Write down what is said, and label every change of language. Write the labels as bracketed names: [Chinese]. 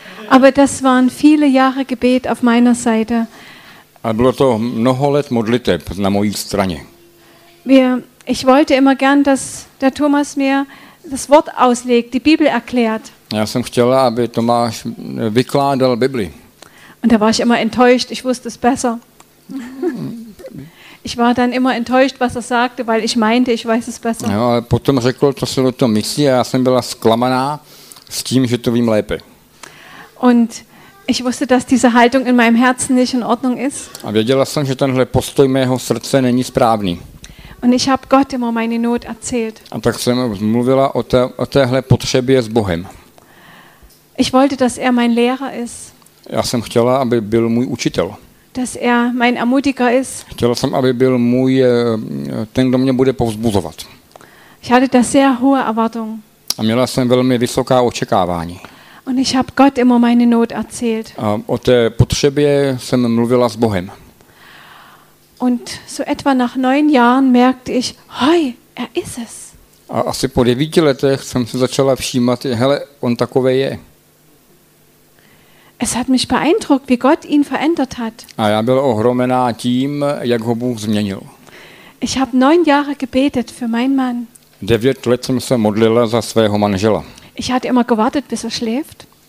[German] Aber das waren viele Jahre Gebet auf meiner Seite. [Czech] A bylo to mnoho let modliteb na mojí straně. [German] Ich wollte immer gern, dass der Thomas mir das Wort auslegt, die Bibel erklärt. [Czech] Já jsem chtěla, aby Tomáš vykládal Bibli. [German] Und da war ich immer enttäuscht, ich wusste es besser. Ich war dann immer enttäuscht, was er sagte, weil ich meinte, ich weiß es besser. [Czech] Jo, ale potom řekl, co se o tom myslí, a já jsem byla zklamaná s tím, že to vím lépe. [German] Und ich wusste, dass diese Haltung in meinem Herzen nicht in Ordnung ist. [Czech] A věděla jsem, že tenhle postoj mého srdce není správný. [German] Und ich habe Gott immer meine Not erzählt. [Czech] A tak jsem mluvila o téhle potřebě s Bohem. [German] Ich wollte, dass er mein Lehrer ist. [Czech] Já jsem chtěla, aby byl můj učitel. [German] Dass er mein Ermutiger ist. [Czech] Chtěla jsem, aby byl můj ten, kdo mě bude povzbuzovat. [German] Ich hatte da sehr hohe Erwartungen. [Czech] A měla jsem velmi vysoká očekávání. [German] Und ich habe Gott immer meine Not erzählt. [Czech] A o té potřebě jsem mluvila s Bohem. [German] Und so etwa nach 9 Jahren merkte ich, hoj, er ist es. [Czech] A asi po 9 letech jsem si začala všímat, hele, on takovej je. [German] Es hat mich beeindruckt, wie Gott ihn verändert hat. [Czech] A já byl ohromená tím, jak ho Bůh změnil. [German] Ich habe 9 Jahre gebetet für meinen Mann. [Czech] 9 let jsem se modlila za svého manžela. [German] Ich hatte immer gewartet, bis er schläft.